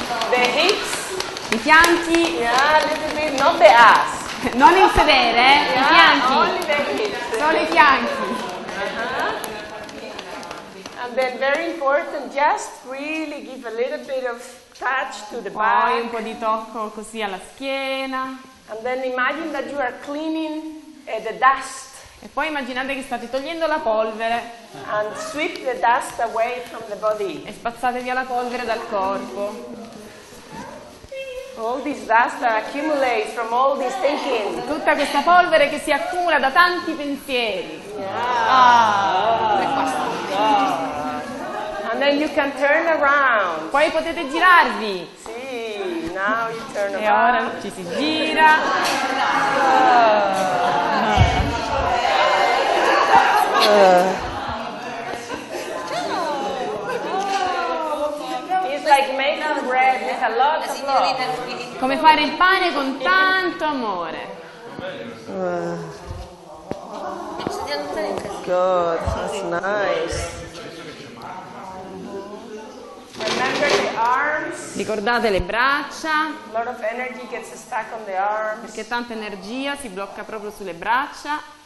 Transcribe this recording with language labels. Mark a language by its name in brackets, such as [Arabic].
[English] The hips. [Italian] I fianchi. [English] Yeah, a little bit. Not the ass. [Italian] Non il sedere, I fianchi. [English] Only the hips. [Italian] Solo i fianchi. [English] And then very important, just really give a little bit of touch to the back. [Italian] Poi un po' di tocco così alla schiena. [English] And then imagine that you are cleaning the dust. [Italian] E poi immaginate che state togliendo la polvere. [English] And sweep the dust away from the body. [Italian] E spazzate via la polvere dal corpo. [English] All this dust that accumulates from all this thinking. [Italian] Tutta questa polvere che si accumula da tanti pensieri. [English] And then you can turn around. [Italian] Poi potete girarvi. [English] Sì, now you turn around. [Italian] E ora ci si gira. [English] It's like making bread with a lot of love. [Italian] Come fare il pane con tanto amore. [English] Oh God, that's nice. Remember the arms. [Italian] Ricordate le braccia. [English] A lot of energy gets stuck on the arms. [Italian] Perché tanta energia si blocca proprio sulle braccia.